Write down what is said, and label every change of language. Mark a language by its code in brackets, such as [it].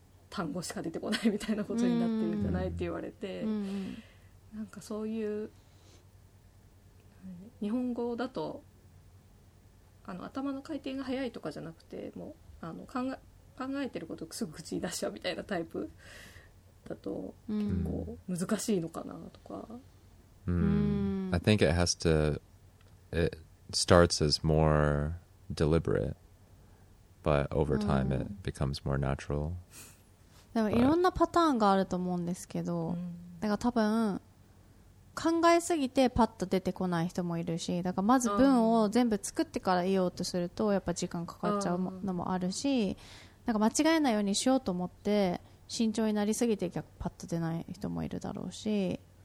[ja] 単語しか出てこないみたいなことになってるんじゃないって言われて、なんかそういう日本語だと頭の回転が早いとかじゃなくて、もう考えてることをすぐ口に出しちゃうみたいなタイプだと結構難しいのかなとか、 [en] I think it has to, it starts as more deliberate, but over time it becomes more natural. [ja] でもいろんなパターンがあると思うんですけど、だから多分考えすぎてパッと出てこない人もいるし、だからまず文を全部作ってから言おうとするとやっぱ時間かかっちゃうのもあるし、なんか間違えないようにしようと思って慎重になりすぎて逆パッと出ない人もいるだろうし